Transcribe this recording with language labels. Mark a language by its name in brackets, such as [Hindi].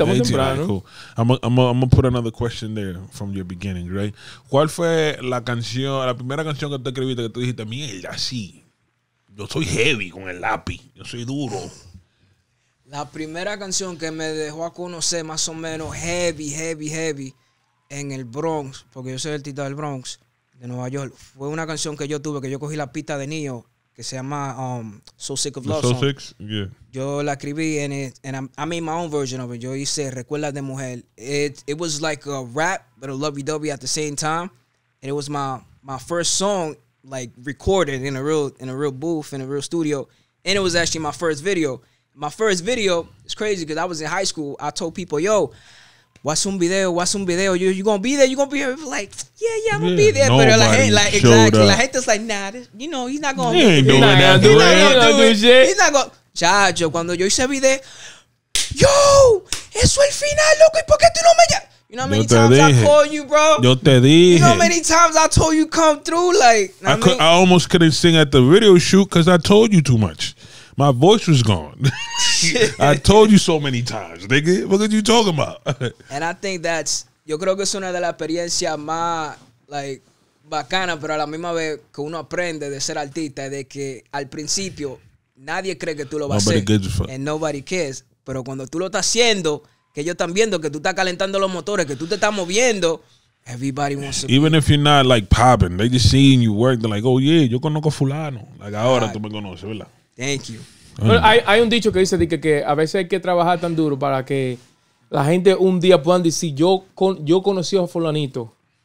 [English] I'm gonna put another question there from your beginning, right? [Spanish] ¿Cuál fue la canción, la primera canción que tú escribiste que tú dijiste, mierda, sí, yo soy heavy con el lápiz, yo soy duro? La primera canción que me dejó a conocer más o menos heavy, en el Bronx, porque yo soy el tito del Bronx, de Nueva York, fue una canción que yo tuve, que yo cogí la pista de niño que se llama So Sick of Love. [English] So Sick, yeah. [Spanish] Yo la escribí en [English] it, and I made my own version of it. [Spanish] Yo hice [English] Recuerdas de Mujer. It was like a rap, but a lovey-dovey at the same time. And it was my first song, like, recorded in a real booth, in a real studio. And it was actually my first video. My first video, it's crazy because I was in high school. I told people, yo, What's un video? You gonna be there? You gonna be here? Like, yeah, I'm gonna be there. Nobody, but like, hey, like, exactly. Like, hate this, like, nah, this, you know, he's not gonna be there. He ain't doing that. He's not gonna. [Spanish] Chacho, cuando yo hice video, yo, eso es el final, loco, y por qué tú no me llamas? [English] You know how many times [Spanish] dije. [English] I called you, bro? [Spanish] Yo te dije. [English] You know how many times I told you come through? Like, I could, I almost couldn't sing at the video shoot because I told you too much. My voice was gone. I told you so many times, nigga. What are you talking about? And I think that's, [Spanish] yo creo que es una de las experiencias más, like, bacanas, pero a la misma vez que uno aprende de ser artista, de que al principio nadie cree que tú lo vas a hacer. [English] And nobody cares. [Spanish] Pero cuando tú lo estás haciendo, que ellos están viendo que tú estás calentando los motores, que tú te estás moviendo, [English] everybody wants to. Even if you're not, like, popping, they just seeing you work, they're like, oh, yeah, [Spanish] yo conozco a fulano. Like, ahora tú me conoces, ¿verdad? [English] Thank you. [Spanish] Bueno, hay un dicho que dice que a veces hay que trabajar tan duro para que la gente un día pueda decir yo conocí a fulanito.